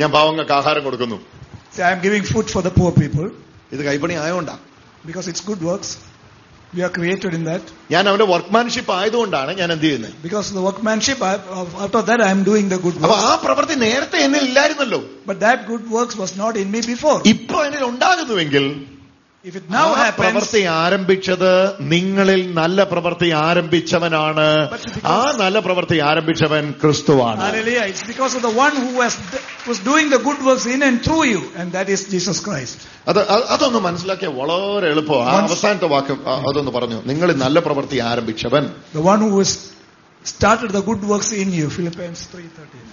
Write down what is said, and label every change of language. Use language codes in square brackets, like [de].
[ml] ഞാൻ പാവങ്ങൾക്ക് ആഹാരം കൊടുക്കുന്നു. [en] See, I am giving food for the poor people. [ml] ഇത് കൈപ്പണി ആയതുകൊണ്ടാ? [en] Because it's good works. We are created in that. [ml] ഞാൻ അവന്റെ വർക്ക്മാൻഷിപ്പ് ആയതുകൊണ്ടാണ് ഞാൻ എന്ത് ചെയ്യുന്നത്. [en] Because the workmanship out of that I am doing the good work. [ml] അപ്പോൾ ആ പ്രവൃത്തി നേരത്തെ എന്നിൽ ഇല്ലായിരുന്നല്ലോ. [en] But that good works was not in me before. [ml] ഇപ്പോൾ എന്നിൽ ഉണ്ടാകുന്നുവെങ്കിൽ, [en] if it now happens, [ml] പ്രവൃത്തി ആരംഭിച്ചത് നിങ്ങളിൽ നല്ല പ്രവൃത്തി ആരംഭിച്ചവനാണ്. ആ നല്ല പ്രവൃത്തി ആരംഭിച്ചവൻ ക്രിസ്തുവാണ്. [en] Hallelujah. It's because of the one who was doing the good works in and through you, and that is Jesus Christ. [ml] അതൊന്ന് മനസ്സിലാക്കിയ വളരെ എളുപ്പമാണ്. അവസാനത്തെ വാക്യം അതൊന്ന് പറഞ്ഞു, നിങ്ങളിൽ നല്ല പ്രവൃത്തി ആരംഭിച്ചവൻ. [en] The one who has started the good works in you, Philippians 3:13.